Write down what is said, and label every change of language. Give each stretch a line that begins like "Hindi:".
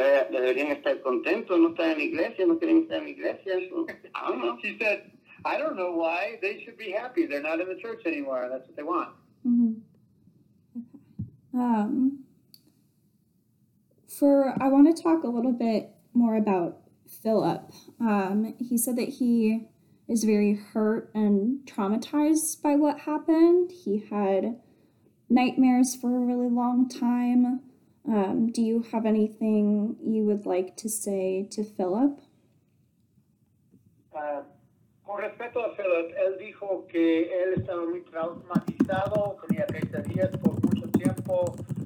Spanish: deberían estar contentos, no están en la iglesia, no quieren estar en la iglesia.
English: She said, I don't know why, they should be happy, they're not in the church anymore, that's what they want. I want to talk a little bit more about Philip. He said that he is very hurt and traumatized by what happened. He had nightmares for a really long time. Do you have anything you would like to say to Philip?
Spanish: Con respecto a Philip, él dijo que él estaba muy traumatizado, tenía pesadillas por mucho tiempo.